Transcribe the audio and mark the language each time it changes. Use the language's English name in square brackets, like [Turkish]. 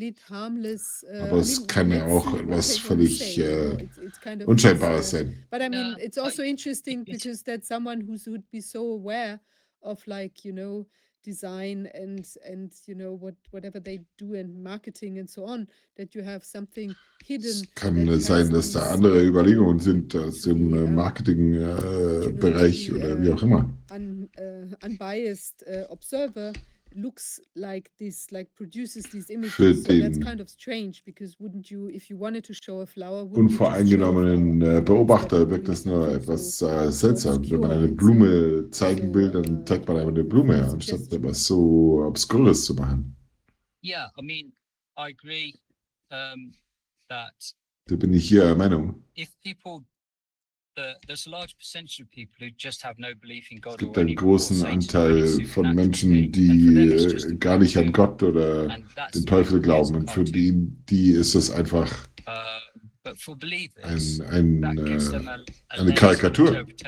[German] Aber es kann ja auch etwas völlig Unscheinbares sein. [English] But I mean, it's also interesting because that someone who would be so aware of, like, you know, design and you know whatever they do in marketing and so on, that you have something hidden. [German] Es kann sein, dass da andere Überlegungen sind aus dem Marketingbereich oder wie auch immer. [English] Unbiased observer looks like this, like produces these images. [German] Für den [English] so that's kind of strange because wouldn't you, if you wanted to show a flower, [German] unvoreingenommenen Beobachter wirkt das nur etwas seltsam. Wenn man eine Blume zeigen will, dann zeigt man einfach eine Blume, anstatt etwas so Obskures zu machen. [English] Yeah, I mean, I agree that. [German] Da bin ich hier Meinung. [English] If people, there's a large percentage of people who just have no belief in God. [German] Es gibt einen großen Anteil von Menschen, die gar nicht an Gott oder den Teufel glauben. Und für die ist das einfach eine Karikatur.